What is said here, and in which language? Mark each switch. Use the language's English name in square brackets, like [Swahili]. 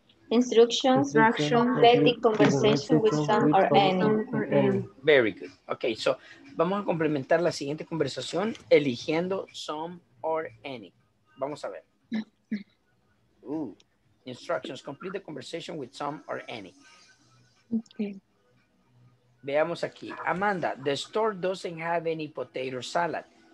[English] Instructions, let the conversation with some or any. Very good. Okay, so [Spanish] vamos a complementar la siguiente conversación eligiendo [English] some or any. [Spanish] Vamos a ver. [English] Instructions, complete the conversation with some or any. Okay. [Spanish] Veamos aquí. [English] Amanda, the store doesn't have any potato salad.